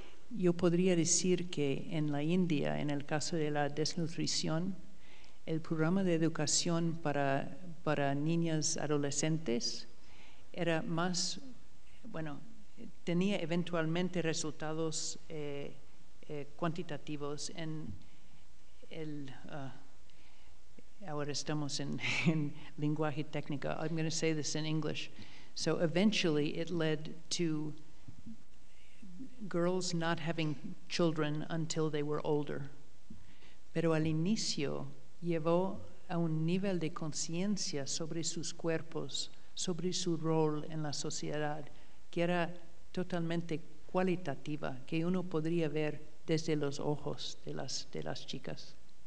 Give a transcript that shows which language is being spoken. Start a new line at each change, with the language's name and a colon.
Spanish: Yo podría decir que en la India, en el caso de la desnutrición, el programa de educación para niñas adolescentes era más, bueno, tenía eventualmente resultados cuantitativos en el ahora estamos en lenguaje técnico.
English: I'm going to say this in English. So eventually it led to girls not having children until they were older.
Spanish: Pero al inicio llevó a un nivel de conciencia sobre sus cuerpos, sobre su rol en la sociedad, que era totalmente cualitativa, que uno podría ver desde los ojos de las chicas.